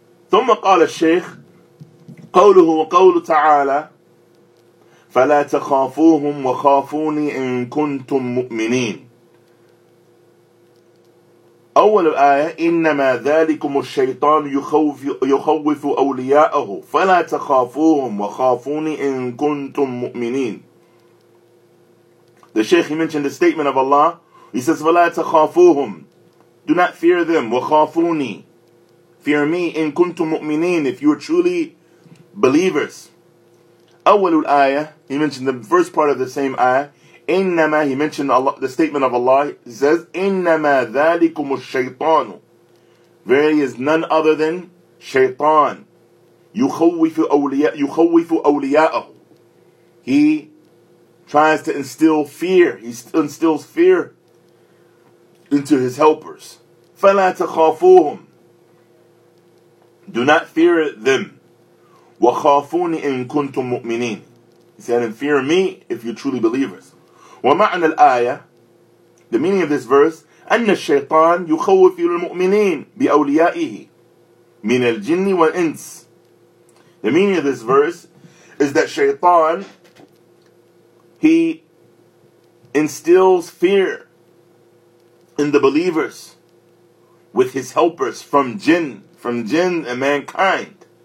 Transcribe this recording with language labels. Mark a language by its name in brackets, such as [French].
[Arabic] ثم قال الشيخ قوله وقول تعالى فلا تخافوهم وخافوني إن كنتم مؤمنين. أول الآية إنما ذلكم الشيطان يخوف أولياءه فلا تخافوهم وخافوني إن كنتم مؤمنين. [English] The Sheikh, he mentioned the statement of Allah. He says, [Arabic] فلا تخافوهم. [English] Do not fear them. [Arabic] وخافوني. [English] Fear me. [Arabic] إن كنتم مؤمنين. [English] If you are truly believers. [Arabic] أول الآية. [English] He mentioned the first part of the same آية. إنما, he mentioned Allah, the statement of Allah, he says, [Arabic] إنما ذلكم الشيطان. [English] Verily is none other than شيطان. [Arabic] يخوف أولياءه. [English] He tries to instill fear. He instills fear into his helpers. [Arabic] فلا تخافوهم. [English] Do not fear them. [Arabic] وخافوني إن كنتم مؤمنين. [English] He said, and fear me if you're truly believers. [Arabic] ومعنى الآية, [English] the meaning of this verse, [Arabic] أن الشيطان يخوف المؤمنين بأوليائه من الجن والإنس. [English] The meaning of this verse is that شيطان, he instills fear in the believers with his helpers from jinn and mankind.